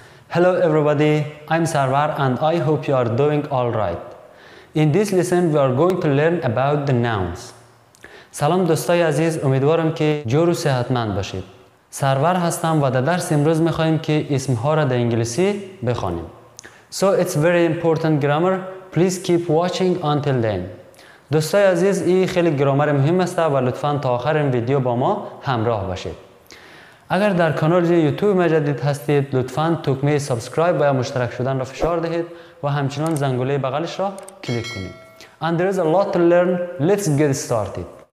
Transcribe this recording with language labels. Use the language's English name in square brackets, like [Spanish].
[English] Hello everybody, I'm Sarvar and I hope you are doing all right. In this lesson we are going to learn about the nouns. [Persian] سلام دوستای عزیز، امیدوارم که جور و صحتمند باشید. سرور هستم و در درس امروز میخواییم که اسمها را در انگلیسی بخوانیم. [English] So it's very important grammar, please keep watching until then. [Persian] دوستای عزیز، این خیلی گرامر مهم است و لطفاً تا آخر این ویدیو با ما همراه باشید. اگر در کانال یوتیوب مجدد هستید، لطفاً تکمه سابسکرایب و یا مشترک شدن را فشار دهید و همچنان زنگوله بغلش را کلیک کنید. [English] And there is a lot to learn. Let's get started.